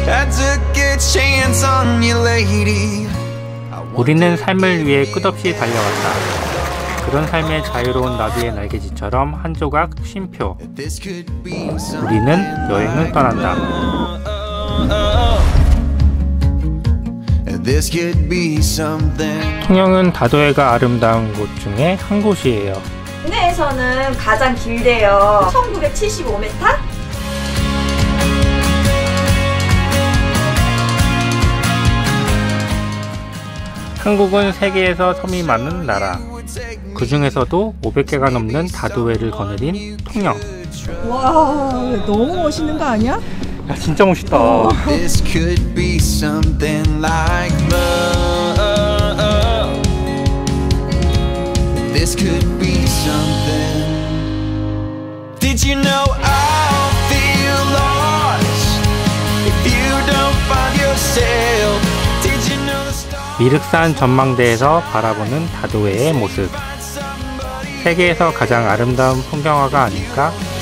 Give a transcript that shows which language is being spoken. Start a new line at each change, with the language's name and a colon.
English: took its chance on you, lady.
Korean: 우리는 삶을 위해 끝없이 달려왔다. 그런 삶의 자유로운 나비의 날개짓처럼 한 조각 쉼표. 우리는 여행을 떠난다.
English: This could be something.
Korean: 통영은 다도해가 아름다운 곳 중에 한 곳이에요. 국내에서는 가장 길대요. 1975m? 한국은 세계에서 섬이 많은 나라. 그 중에서도 500개가 넘는 다도해를 거느린 통영. 와, 너무 멋있는 거 아니야? 야, 진짜 멋있다.
English: This could be something like love. This could be something. Did you know I'll feel lost if you don't find yourself?
Korean: 미륵산 전망대에서 바라보는 다도해의 모습. 세계에서 가장 아름다운 풍경화가 아닐까?